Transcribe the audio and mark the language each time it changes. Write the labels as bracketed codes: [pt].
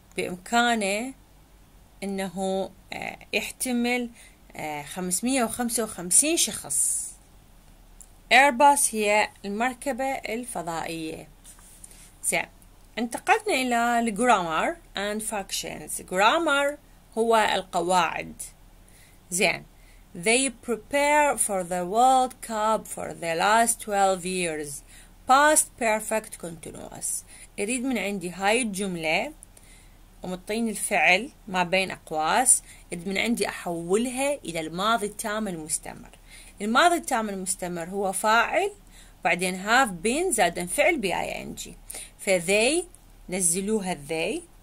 [ar] بإمكانه إنه يحتمل 555 شخص. Airbus هي المركبة الفضائية. زين, انتقلنا إلى grammar and functions. Grammar هو القواعد. [en] زين, they prepare for the World Cup for the last 12 years, past perfect continuous. [ar] أريد من عندي هاي الجملة ومطين الفعل ما بين أقواس, إذ من عندي أحولها إلى الماضي التام المستمر. الماضي التام المستمر هو فاعل بعدين have been زادا فعل B-I-N-G. فthey نزلوها they.